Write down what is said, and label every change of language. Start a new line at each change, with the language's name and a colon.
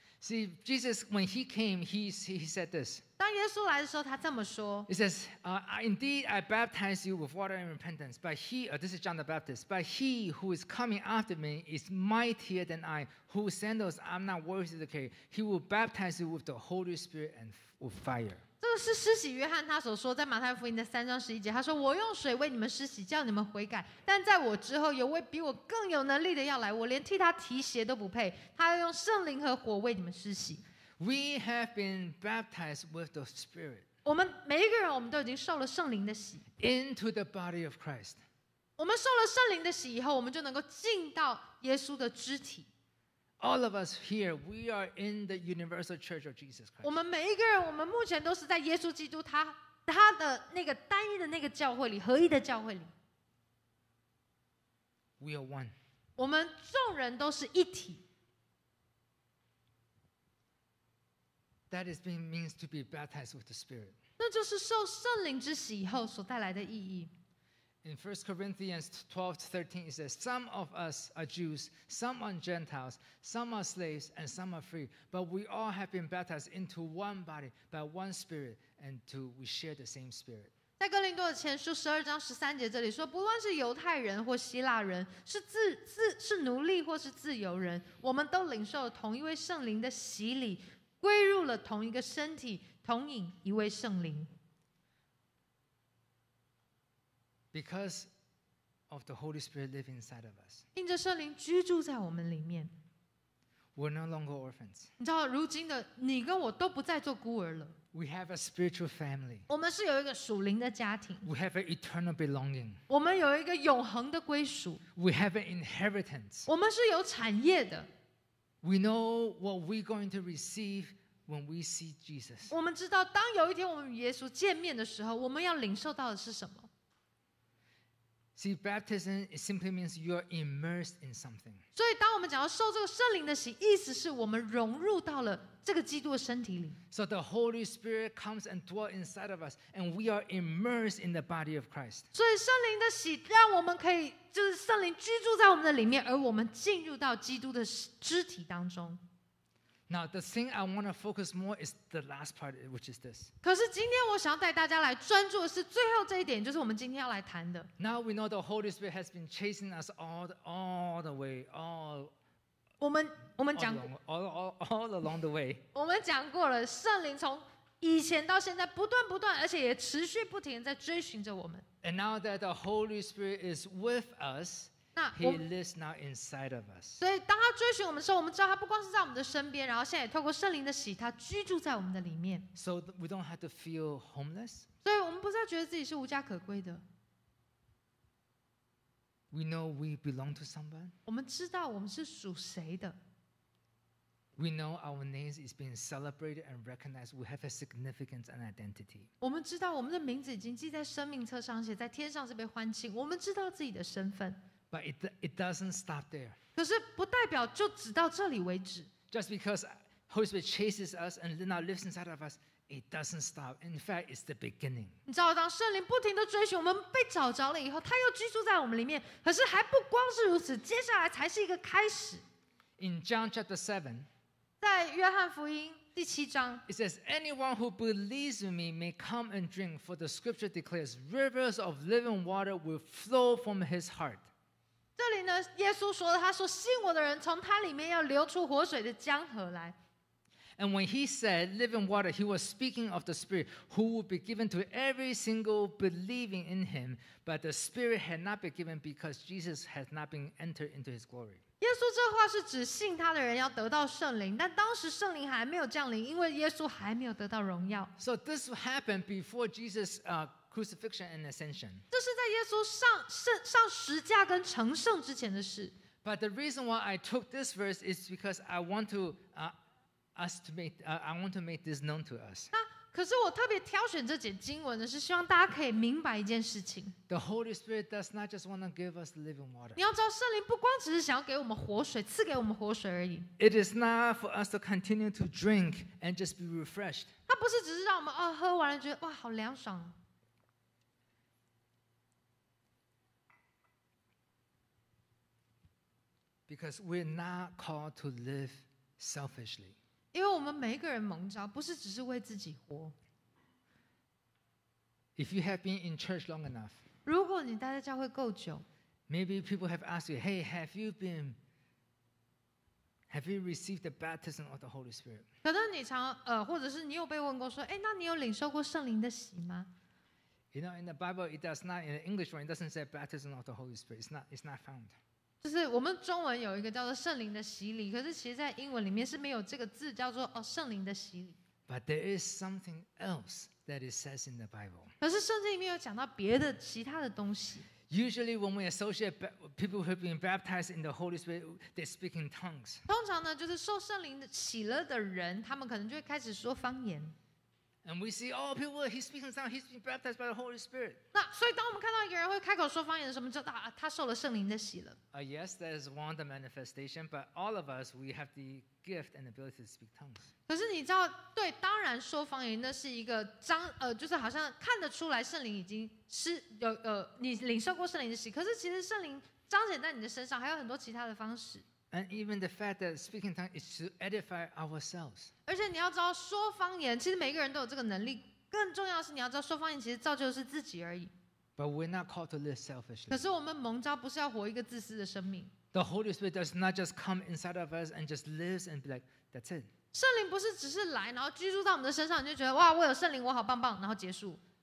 English: See, Jesus, when He came, he said this.
Chinese: 当耶稣来的时候，他这么说。
English: He says, indeed, I baptize you with water and repentance, but He, this is John the Baptist, but He who is coming after me is mightier than I, whose sandals I'm not worthy to carry. He will baptize you with the Holy Spirit and with fire.
Chinese: 这个是施洗约翰他所说，在马太福音的3:11，他说：“我用水为你们施洗，叫你们悔改。但在我之后，有位比我更有能力的要来，我连替他提鞋都不配。他要用圣灵和火为你们施洗。”
English: We have been baptized with the Spirit.
Chinese: 我们每一个人，我们都已经受了圣灵的洗。
English: Into the body of Christ.
Chinese: 我们受了圣灵的洗以后，我们就能够进到耶稣的肢体。
English: All of us here, we are in the universal church of Jesus Christ.
Chinese: 我们每一个人，我们目前都是在耶稣基督他的那个单一的那个教会里，合一的教会里。
English: We are one.
Chinese: 我们众人都是一体。
English: That is being means to be baptized with the Spirit.
Chinese: 那就是受圣灵之洗以后所带来的意义。
English: In 1 Corinthians 12:13, it says, Some of us are Jews, some are Gentiles, some are slaves, and some are free. But we all have been baptized into one body by one Spirit, and we share the same Spirit.
Chinese: 在哥林多前书12:13这里说，不论是犹太人或希腊人，是奴隶或是自由人，我们都领受了同一位圣灵的洗礼，归入了同一个身体，同饮一位圣灵。
English: Because of the Holy Spirit living inside of us,
Chinese: 因着圣灵居住在我们里面
English: ，we're no longer orphans.
Chinese: 你知道，如今的你跟我都不再做孤儿了。
English: We have a spiritual family.
Chinese: 我们是有一个属灵的家庭。
English: We have an eternal belonging.
Chinese: 我们有一个永恒的归属。
English: We have an inheritance.
Chinese: 我们是有产业的。
English: We know what we're going to receive when we see Jesus.
Chinese: 我们知道，当有一天我们与耶稣见面的时候，我们要领受到的是什么？
English: See, baptism simply means you are immersed in something.
Chinese: 所以当我们讲到受这个圣灵的洗，意思是我们融入到了这个基督的身体里。
English: So the Holy Spirit comes and dwells inside of us, and we are immersed in the body of Christ.
Chinese: 所以圣灵的洗让我们可以，就是圣灵居住在我们的里面，而我们进入到基督的肢体当中。
English: Now the thing I want to focus more is the last part, which is this.
Chinese: 可是今天我想要带大家来专注的是最后这一点，就是我们今天要来谈的。
English: Now we know the Holy Spirit has been chasing us all the way.
Chinese: 我们讲
English: all along the way.
Chinese: 我们讲过了，圣灵从以前到现在不断不断，而且也持续不停在追寻着我们。
English: And now that the Holy Spirit is with us, He lives now inside of us.
Chinese: 所以当他追寻我们的时候，我们知道他不光是在我们的身边，然后现在也透过圣灵的洗，他居住在我们的里面。
English: So we don't have to feel homeless.
Chinese: 所以我们不再觉得自己是无家可归的。
English: We know we belong to someone.
Chinese: 我们知道我们是属谁的。
English: We know our names is being celebrated and recognized. We have a significance and identity.
Chinese: 我们知道我们的名字已经记在生命册上，写在天上是被欢庆。我们知道自己的身份。
English: But it doesn't stop there.
Chinese: 可是不代表就只到这里为止。
English: Just because Holy Spirit chases us and now lives inside of us, it doesn't stop. In fact, it's the beginning.
Chinese: 你知道，当圣灵不停的追寻我们，被找着了以后，他又居住在我们里面。可是还不光是如此，接下来才是一个开始。
English: In John chapter 7.
Chinese: 在约翰福音第七章
English: ，It says, "Anyone who believes in me may come and drink. For the Scripture declares, rivers of living water will flow from his heart."
Chinese: 这里呢，耶稣说的，他说，信我的人从他里面要流出活水的江河来。
English: And when he said living water, he was speaking of the Spirit who would be given to every single believing in him. But the Spirit had not been given because Jesus had not been entered into his glory.
Chinese: 耶稣这话是指信他的人要得到圣灵，但当时圣灵还没有降临，因为耶稣还没有得到荣耀。
English: So this happened before Jesus, crucifixion and ascension.
Chinese: 这是在耶稣上十架跟成圣之前的事。
English: But the reason why I took this verse is because I want to, I want to make this known to us.
Chinese: 那可是我特别挑选这节经文呢，是希望大家可以明白一件事情。
English: The Holy Spirit does not just want to give us living water.
Chinese: 你要知道，圣灵不光只是想要给我们活水，赐给我们活水而已。
English: It is not for us to continue to drink and just be refreshed.
Chinese: 它不是只是让我们哦喝完了觉得哇好凉爽。
English: Because we're not called to live selfishly.
Chinese: 因为我们每一个人蒙召，不是只是为自己活。
English: If you have been in church long enough,
Chinese: 如果你待在教会够久
English: ，Maybe people have asked you, "Hey, have you received the baptism of the Holy Spirit?"
Chinese: 可能你常或者是你有被问过说，哎，那你有领受过圣灵的洗吗？
English: You know, in the Bible, it does not. In the English one, it doesn't say baptism of the Holy Spirit. It's not found.
Chinese: 就是我们中文有一个叫做圣灵的洗礼，可是其实在英文里面是没有这个字叫做、哦、圣灵的洗礼。
English: But there is something else that it says in the Bible.
Chinese: 可是圣经里面有讲到别的其他的东西。
English: Usually when we associate people who have been baptized in the Holy Spirit, they speak in tongues.
Chinese: 通常呢，就是受圣灵洗了的人，他们可能就会开始说方言。
English: And we see, oh, people, he's speaking tongues, he's been baptized by the Holy Spirit.
Chinese: 那所以当我们看到一个人会开口说方言的时候，我们知道、啊、他受了圣灵的洗了。
English: Yes, that is one of the manifestation, but all of us, we have the gift and ability to speak tongues.
Chinese: 可是你知道，对，当然说方言那是一个彰，就是好像看得出来圣灵已经是有你领受过圣灵的洗。可是其实圣灵彰显在你的身上，还有很多其他的方式。
English: And even the fact that speaking tongue is to edify ourselves.
Chinese: 而且你要知道，说方言其实每个人都有这个能力。更重要的是，你要知道说方言其实造就的是自己而已。
English: But we're not called to live selfishly.
Chinese: 可是我们蒙召不是要活一个自私的生命。
English: The Holy Spirit does not just come inside of us and just lives and be like that's it.
Chinese: 圣灵不是只是来，然后居住在我们的身上，你就觉得哇，我有圣灵，我好棒棒，然后结束。